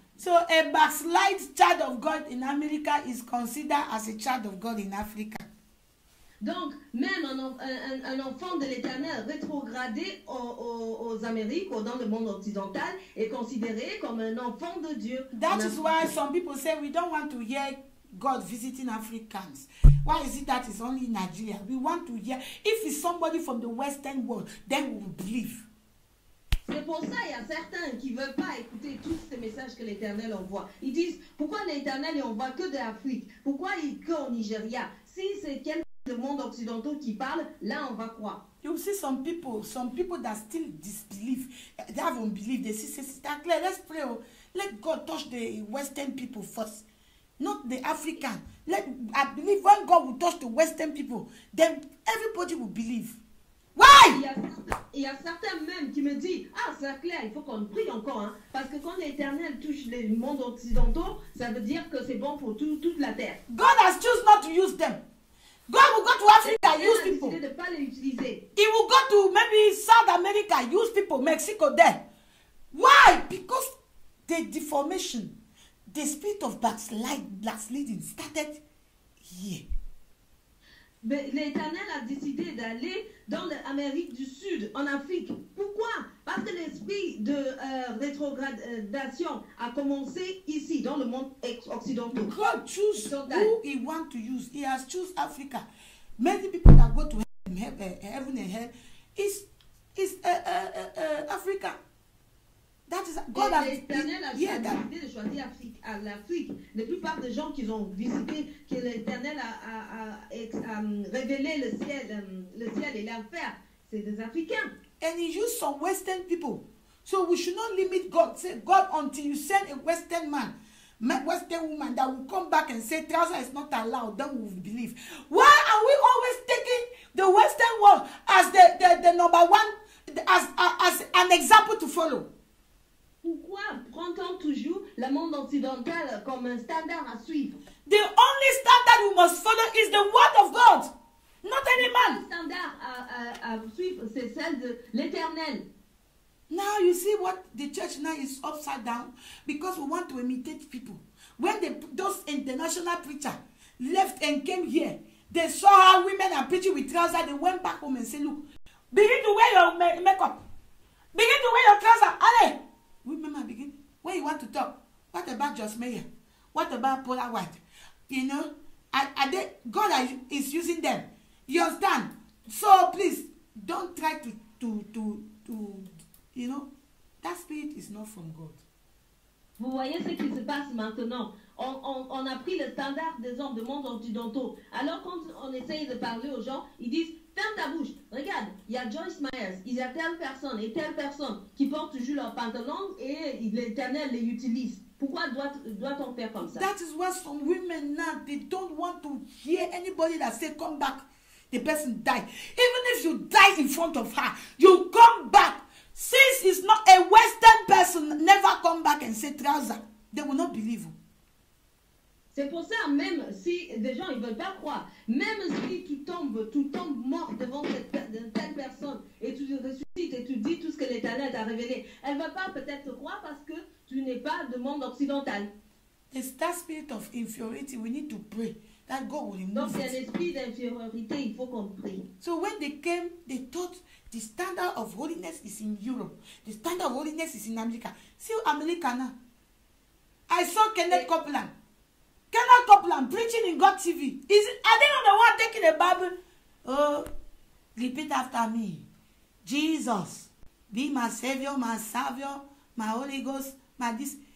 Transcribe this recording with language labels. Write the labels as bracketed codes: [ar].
[en] So a backslide child of God in America is considered as a child of God in Africa. [fr] Donc, même un enfant de l'Éternel rétrogradé aux Amériques ou dans le monde occidental est considéré comme un enfant de Dieu. [en] That is why some people say we don't want to hear God visiting Africans. Why is it that it's only in Nigeria? We want to hear, if it's somebody from the Western world, then we will believe. [fr] C'est pour ça qu'il y a certains qui ne veulent pas écouter tous ces messages que l'Éternel envoie. Ils disent, pourquoi l'Éternel n'envoie que de l'Afrique? Pourquoi il que au Nigeria? Si c'est quelqu'un le monde occidental qui parle, là on va croire. [en] You see some people that still disbelieve, they have unbelief. They see sister Claire, let's pray. Oh, let God touch the Western people first, not the African. I believe when God will touch the Western people, then everybody will believe. Why? [fr] Il y a certains même qui me disent, ah sister Claire, il faut qu'on prie encore, hein, parce que quand l'Éternel touche le monde occidental, ça veut dire que c'est bon pour toute la terre. [en] God has chosen not to use them. God will go to Africa, use people. He will go to maybe South America, use people, Mexico there. Why? Because the deformation, the spirit of backsliding started here. [fr] Mais l'Éternel a décidé d'aller dans l'Amérique du Sud, en Afrique. Pourquoi? Parce que l'esprit de rétrogradation a commencé ici, dans le monde occidental. [en] God choose who he want to use. He has choose Africa. Many people that go to heaven and hell is Africa. That is God. [fr] L'Éternel a décidé de choisir l'Afrique. La plupart des gens qu'ils ont visités, que l'Éternel a révélé le ciel et l'enfer, c'est des Africains. [en] And he used some Western people. So we should not limit God. Say God until you send a Western man, Western woman that will come back and say trouser is not allowed, then we will believe. Why are we always taking the Western world as the number one as an example to follow? [fr] Pourquoi prend-on toujours le monde occidental comme un standard à suivre? [en] The only standard we must follow is the word of God, not any man. [fr] Le standard à suivre, c'est celle de l'Éternel. [en] Now you see what the church now is upside down because we want to imitate people. When those international preachers left and came here, they saw how women are preaching with trousers. They went back home and said, look, begin to wear your makeup. Begin to wear your trousers. [fr] Allez! [en] Women are beginning. When you want to talk, what about Joss Meyer? What about Paula White? You know, God is using them. You understand? So please, don't try to you know, that spirit is not from God. [fr] Vous voyez ce qui se passe maintenant. On a pris le standard des hommes du monde occidental. Alors quand on essaye de parler aux gens, ils disent, ferme ta bouche. Regarde, il y a Joyce Myers, il y a telle personne qui porte toujours leur pantalon et l'Éternel les utilise. Pourquoi doit-on faire comme ça? [en] That is why some women now, they don't want to hear anybody that say, come back. The person died. Even if you die in front of her, you come back. Since it's not a Western person, never come back and say trouser. They will not believe you. [fr] C'est pour ça, même si des gens ne veulent pas croire, même si tu tombes mort devant telle personne et tu ressuscites et tu dis tout ce que l'Éternel t'a révélé, elle ne va pas peut-être te croire parce que tu n'es pas du monde occidental. [en] It's that spirit of inferiority. We need to pray that God will remove. [fr] Donc, c'est l'esprit d'infériorité, il faut qu'on prie. [en] So when they came, they thought the standard of holiness is in Europe. The standard of holiness is in America. See America now. I saw Kenneth Copeland. Kenneth Copeland preaching in God TV. Is it, are they not the one taking the Bible? Oh, repeat after me. Jesus, be my Savior, my Savior, my Holy Ghost, my this.